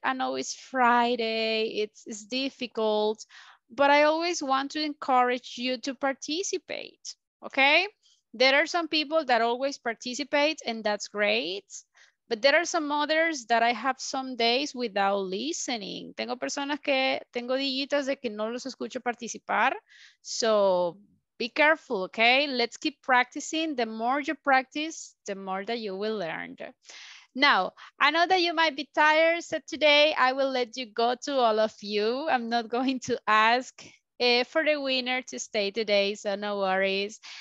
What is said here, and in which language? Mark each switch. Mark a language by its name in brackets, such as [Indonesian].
[English] I know it's Friday, it's difficult, but I always want to encourage you to participate, okay? There are some people that always participate and that's great, but there are some others that I have some days without listening. [Spanish] Tengo personas que tengo dígitos de que no los escucho participar. [English] So be careful, okay? Let's keep practicing. The more you practice, the more that you will learn. Now, I know that you might be tired, so today I will let you go to all of you. I'm not going to ask for the winner to stay today, so no worries.